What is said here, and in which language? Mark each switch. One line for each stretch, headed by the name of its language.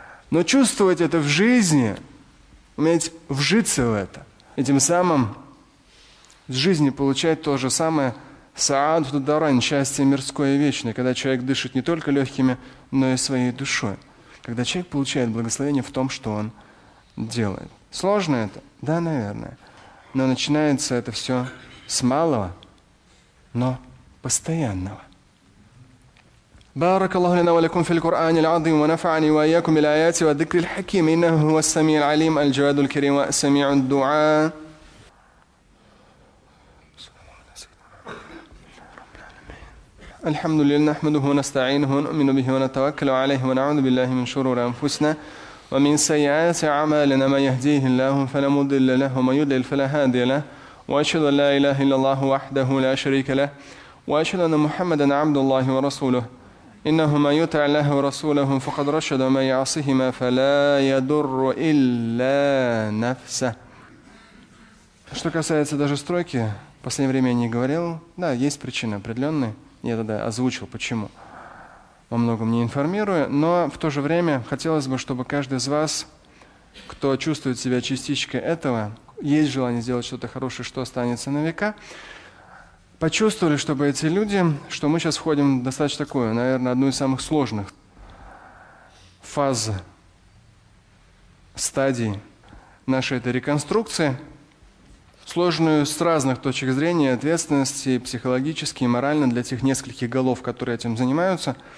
Russian: Но чувствовать это в жизни, уметь вжиться в это, и тем самым с жизни получать то же самое саад тударан, счастье мирское и вечное, когда человек дышит не только легкими, но и своей душой. Когда человек получает благословение в том, что он делает. Сложно это? Да, наверное. Но начинается это все с малого, но постоянного.
Arabic: بارك الله لنا ولكم في القرآن العظيم ونفعني وإياكم بالآيات وذكر الحكيم إنه هو السميع العليم الجواد الكريم والسميع الدعاء الحمد لله نحمده ونستعينه ونؤمن به ونتوكل عليه ونعوذ بالله من شرور أنفسنا ومن سيئات أعمالنا من يهديه الله فلا مضل له ومن يضلل فلا هادي له وأشهد أن لا إله إلا الله وحده لا شريك له وأشهد أن محمدا عبد الله ورسوله إنه من يطع الله ورسوله فقد رشد ومن يعصهما فلا يضر إلا نفسه.
Russian: Что касается даже стройки, в последнее время я не говорил. Да, есть причины определенные. Я тогда озвучил, почему. Во многом не информирую. Но в то же время хотелось бы, чтобы каждый из вас, кто чувствует себя частичкой этого, есть желание сделать что-то хорошее, что останется на века, почувствовали, чтобы эти люди, что мы сейчас входим в достаточно такую, наверное, одну из самых сложных фаз, стадий нашей этой реконструкции, сложную с разных точек зрения, ответственности психологически и морально для тех нескольких голов, которые этим занимаются.